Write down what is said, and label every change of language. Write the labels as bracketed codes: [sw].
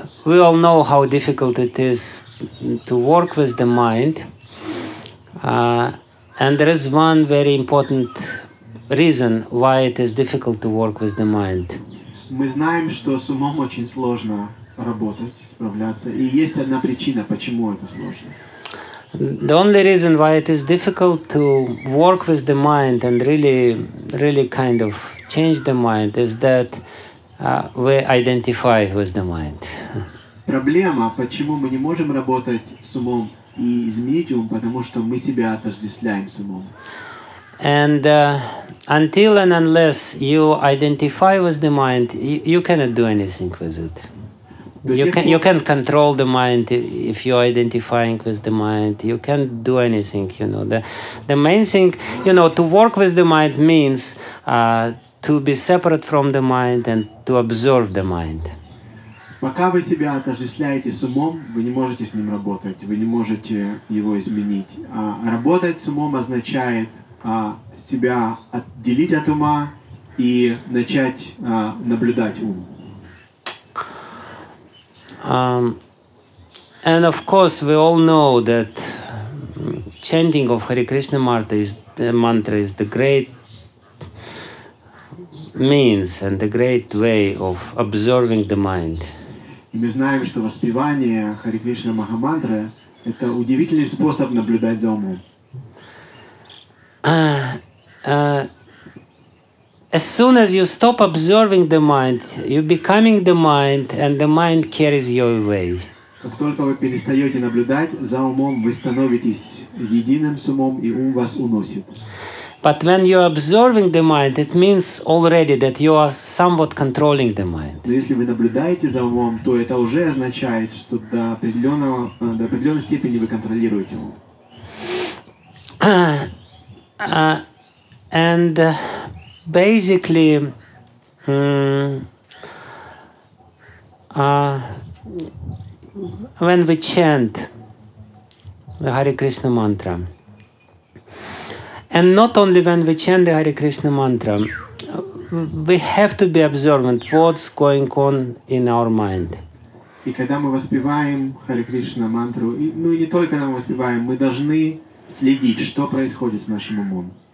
[en] We all know how difficult it is to work with the mind, and there is one very important reason why it is difficult to work with the mind. [ru] Мы знаем, что с умом очень сложно работать, справляться, и есть одна причина, почему это сложно. [en] The only reason why it is difficult to work with the mind and really, really kind of change the mind is that we identify with the mind. [ru] Проблема, почему мы не можем работать с умом и изменить ум, потому что мы себя отождествляем с умом. [en] And until and unless you identify with the mind, you cannot do anything with it. You can't control the mind if you're identifying with the mind. You can't do anything, you know. The main thing, you know, to work with the mind means to be separate from the mind and to observe the mind. [ru] Пока вы себя отождествляете с умом, вы не можете с ним работать, вы не можете его изменить. Работать с умом означает себя отделить от ума и начать наблюдать ум. [en] And of course, we all know that chanting of Hare Krishna mantra is the great means and the great way of observing the mind. [ru] И мы знаем, что воспевание Хари Кришна Махамантры — это удивительный способ наблюдать за умом. [en] As soon as you stop observing the mind, you becoming the mind, and the mind carries you away. [ru] Как только вы перестаете наблюдать за умом, вы становитесь единым с умом, и ум вас уносит. [en] But when you're observing the mind, it means already that you are somewhat controlling the mind. [ru] Но если вы наблюдаете за умом, то это уже означает, что до определенной степени вы контролируете ум. [en] And basically, when we chant the Hare Krishna mantra. And not only when we chant the Hare Krishna mantra, we have to be observant what's going on in our mind. [ru] И когда мы воспеваем Hare Krishna мантру, ну и не только нам воспеваем, мы должны следить, что происходит с нашим умом.